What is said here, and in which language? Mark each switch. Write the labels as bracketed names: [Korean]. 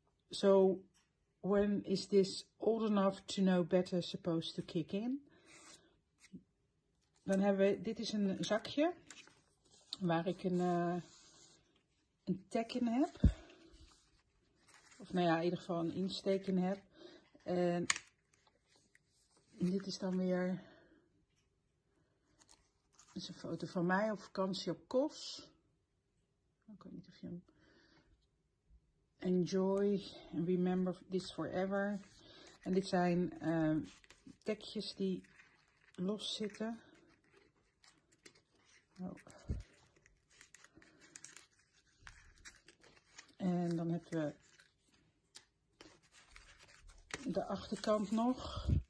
[English] So, when is this old enough to know better supposed to kick in? [Dutch] Dan hebben we, dit is een zakje waar ik een tag in heb. Of nou ja, in ieder geval een insteek in heb. En dit is dan weer... Dat is een foto van mij op vakantie op Kos. Ik weet niet of je hem... [English] Enjoy and remember this forever. [Dutch] En dit zijn tekstjes die los zitten. Oh. En dan hebben we de achterkant nog.